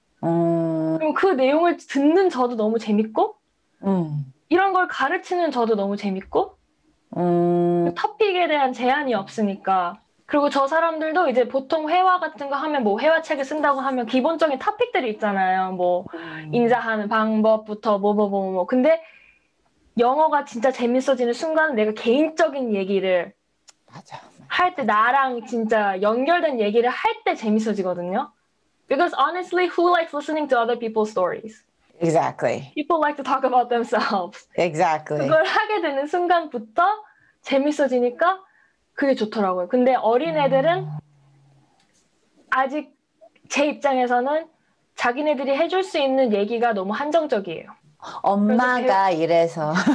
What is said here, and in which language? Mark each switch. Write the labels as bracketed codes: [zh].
[ko] 그럼 그 내용을 듣는 저도 너무 재밌고 이런 걸 가르치는 저도 너무 재밌고 토픽에 대한 제한이 없으니까 그리고 저 사람들도 이제 보통 회화 같은 거 하면 뭐 회화책을 쓴다고 하면 기본적인 토픽들이 있잖아요. 뭐 인사하는 방법부터 뭐뭐뭐뭐 근데 영어가 진짜 재밌어지는 순간 내가 개인적인 얘기를 할 때, 나랑 진짜 연결된 얘기를 할때 재밌어지거든요. [en] Because honestly, who likes listening to other people's stories? Exactly. People like to talk about themselves. Exactly. [ko] 그걸 하게 되는 순간부터 재밌어지니까 그게 좋더라고요. 근데 어린 애들은 아직 제 입장에서는 자기네들이 해줄 수 있는 얘기가 너무 한정적이에요. 그래서 엄마가 이래서.